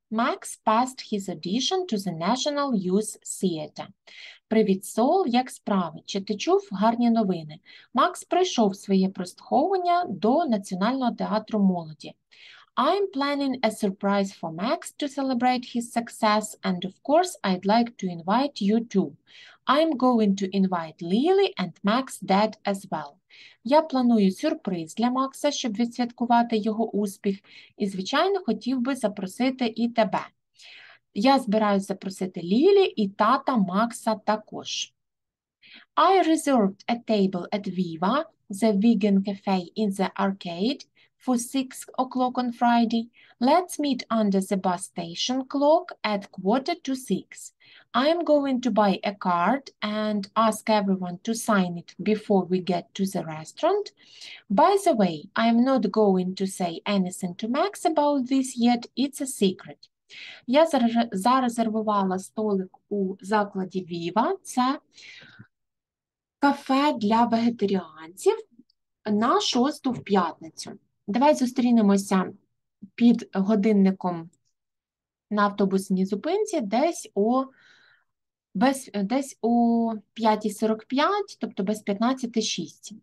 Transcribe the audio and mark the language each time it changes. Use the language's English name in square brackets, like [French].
[English] Max passed his audition to the National Youth Theatre. [Ukrainian] Привіт, Сол, як справи? Чи ти чув гарні новини? Макс пройшов своє прослуховування до Національного театру молоді. [English] I'm planning a surprise for Max to celebrate his success, and of course I'd like to invite you too. I'm going to invite Lily and Max's dad as well. [Ukrainian] Я планую сюрприз для Макса, щоб відсвяткувати його успіх, і, звичайно, хотів би запросити і тебе. Я збираюся запросити Лілі і тата Макса також. [English] I reserved a table at Viva, the vegan cafe in the arcade, for 6 o'clock on Friday. Let's meet under the bus station clock at 5:45. I am going to buy a card and ask everyone to sign it before we get to the restaurant. By the way, I am not going to say anything to Max about this yet. It's a secret. [Ukrainian] Я зарезервувала столик у закладі Viva. Це кафе для вегетаріанців на 6 в п'ятницю. Давай зустрінемося під годинником на автобусній зупинці десь о 5:45, тобто без 15:06.